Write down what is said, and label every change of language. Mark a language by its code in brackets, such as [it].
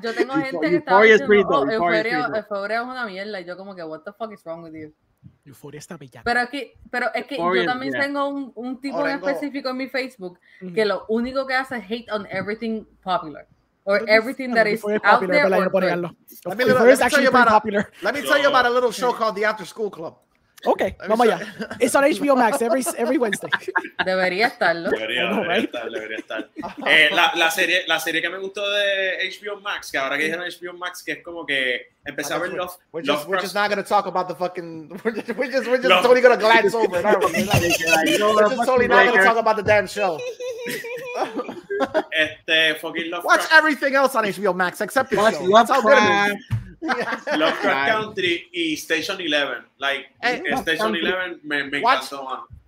[es] Yo tengo gente Euphoria que está diciendo, Euphoria es una mierda. Y yo como que, [en] what the fuck is wrong with you? [es] Euphoria está bella. Pero es que Euphoria, yo también tengo un tipo en específico en mi Facebook que lo único que hace es [en] hate on everything popular. or everything that is out there. Let me tell you about a little show called The After School Club. Okay, [es] vamos allá. [en] It's on HBO Max every Wednesday. [es] Debería estarlo. Debería estar. La serie que me gustó de HBO Max, que ahora que dijeron HBO Max, que es como que empecé a ver Lovecraft. [en] We're just not going to talk about the fucking... We're just totally going to glance over it. We're just totally not going to talk about the damn show. Fucking Lovecraft. Watch everything else on HBO Max except this show. That's how good it is. [es] Yeah. Lovecraft Country y Station Eleven. Station Eleven me encantó.